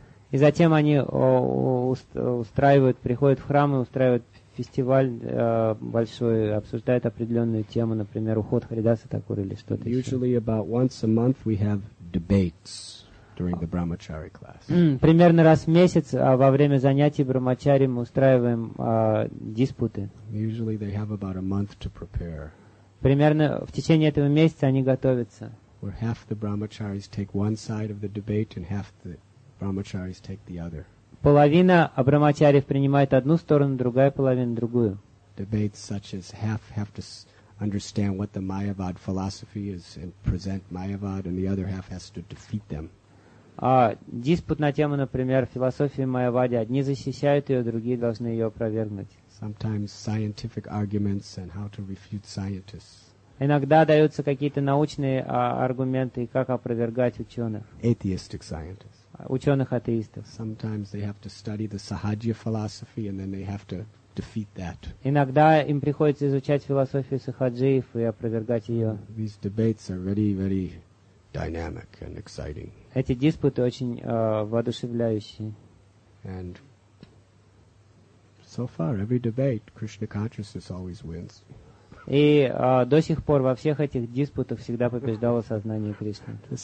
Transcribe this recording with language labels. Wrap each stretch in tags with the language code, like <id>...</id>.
<ru>И затем они устраивают, приходят в храм и устраивают фестиваль большой, обсуждает определенную тему, например, уход Харидаса Такура или что-то</ru> <en>Usually</en> <ru>еще.</ru> <en>About once a month we have debates during the brahmachari class.</en> <ru>Примерно раз в месяц во время занятий брахмачари мы устраиваем диспуты.</ru> <en>Usually they have about a month to prepare.</en> <ru>Примерно в течение этого месяца они готовятся.</ru> <en>Where half the brahmacharis take one side of the debate and half the brahmacharis take the other.</en> <ru>Половина брахмачариев принимает одну сторону, другая половина другую.</ru> <en>Debates such as half have to understand what the Mayavad philosophy is and present Mayavad, and the other half has to defeat them.</en> <ru>Диспут на тему, например, философии Майявады. Одни защищают ее, другие должны ее опровергнуть.</ru> <en>Sometimes scientific arguments and how to refute scientists.</en> <ru>Иногда даются какие-то научные аргументы и как опровергать ученых.</ru> <en>Atheistic scientists.</en> <ru>Ученых-атеистов.</ru> <en>Sometimes they have to study the Sahajya philosophy and then they have to defeat that.</en> <ru>Иногда им приходится изучать философию сахаджиев и опровергать ее.</ru> <en>These debates are very, very dynamic and exciting.</en> <ru>Эти диспуты очень воодушевляющие.</ru> <en>And so far, every debate, Krishna consciousness always wins.</en> <ru>И до сих пор во всех этих диспутах всегда побеждало сознание Кришны.</ru>